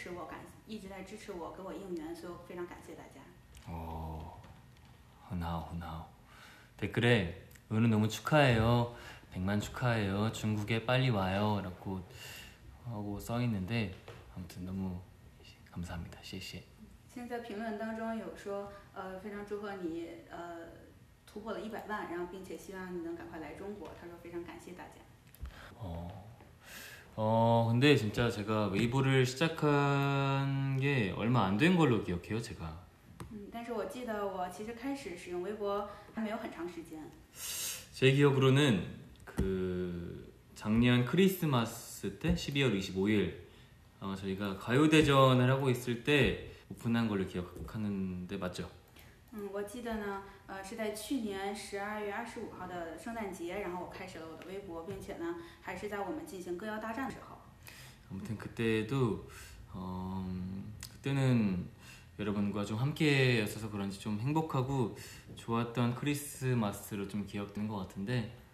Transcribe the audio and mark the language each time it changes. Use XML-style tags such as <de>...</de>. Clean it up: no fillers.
<zh>然后这次通过直播呢，想跟大家说一声感谢。然后并且呢，大家我们没有，我们距离没有很近，但是大家在自己的国家，然后在一直在支持我，一直在支持我，给我应援，所以非常感谢大家。很好, 很好.</zh> <ko>댓글에 은우 너무 축하해요. 100만 축하해요. 중국에 빨리 와요. 라고 하고 써 있는데 아무튼 너무 감사합니다.</ko> <zh>谢谢. 现在评论当中有说，非常祝贺你，突破了100万，然后并且希望你能赶快来中国。他说非常感谢大家。</zh> <ko>근데진짜제가웨이브를시작한게얼마안된걸로기억해요제가</ko> <zh>但是我记得我其实开始使用微博还没有很长时间。</zh> <ko>제기억으로는그작년크리스마스때12월25일저희가가요대전을하고있을때오픈한걸로기억하는데맞죠</ko> <zh>我记得呢，是在去年12月25号的圣诞节，然后我开始了我的微博，并且呢，还是在我们进行歌谣大战的时候。</zh> <ko>아무튼그때도그때는여러분과좀함께였어서그런지좀행복하고좋았던크리스마스로좀기억되는것같은데</ko>